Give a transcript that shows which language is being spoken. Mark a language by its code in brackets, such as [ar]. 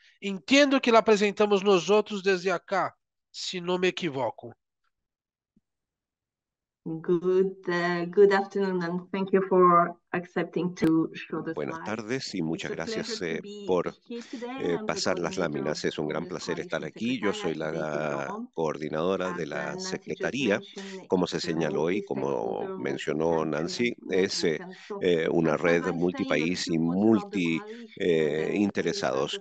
[es] Entiendo que la presentamos nosotros desde acá, si no me equivoco. [en] Good afternoon and thank you for accepting to show the slides. [es] Buenas tardes y muchas gracias por pasar las láminas. Es un gran placer estar aquí. Yo soy la coordinadora de la secretaría. Como se señaló y como mencionó Nancy, es una red multipaís y multi interesados.